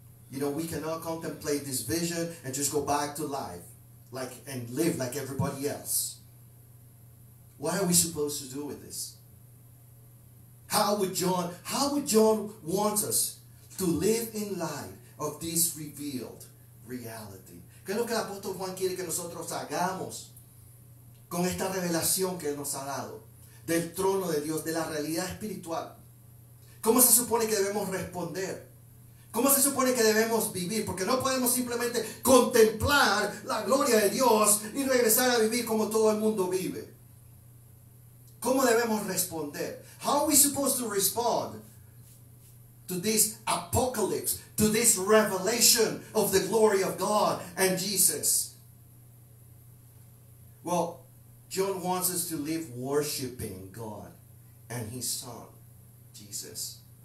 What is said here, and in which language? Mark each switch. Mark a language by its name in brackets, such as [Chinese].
[English] You know, we cannot contemplate this vision and just go back to life like and live like everybody else. What are we supposed to do with this? How would John want us to live in light of this revealed reality? [Spanish] ¿Qué es lo que el apóstol Juan quiere que nosotros hagamos con esta revelación que él nos ha dado del trono de Dios, de la realidad espiritual? ¿Cómo se supone que debemos responder? ¿Cómo se supone que debemos vivir? Porque no podemos simplemente contemplar la gloria de Dios y regresar a vivir como todo el mundo vive. ¿Cómo debemos responder? [English] How are we supposed to respond to this apocalypse, to this revelation of the glory of God and Jesus? Well, John wants us to live worshiping God and His Son, Jesus.